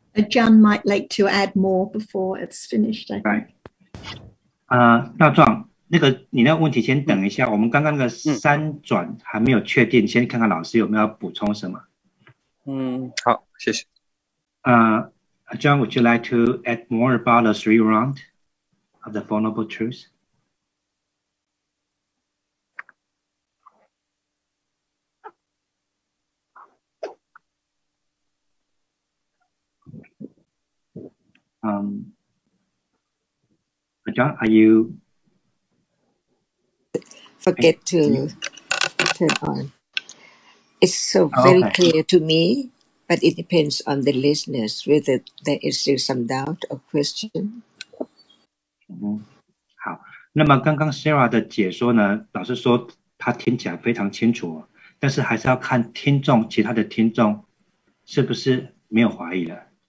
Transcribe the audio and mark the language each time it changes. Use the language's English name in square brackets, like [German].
[English] John might like to add more before it's finished. Right. 大壮。 [Chinese] 那个你那个问题先等一下，我们刚刚那个三转还没有确定，先看看老师有没有补充什么。好，谢谢。 [English] John, would you like to add more about the three round of the Four Noble Truths? John, are you... Forget to turn on. It's so very clear to me, but it depends on the listeners whether there is still some doubt or question. [Chinese] 好，那么刚刚 Sarah 的解说呢，老师说他听起来非常清楚，但是还是要看听众，其他的听众是不是没有怀疑了。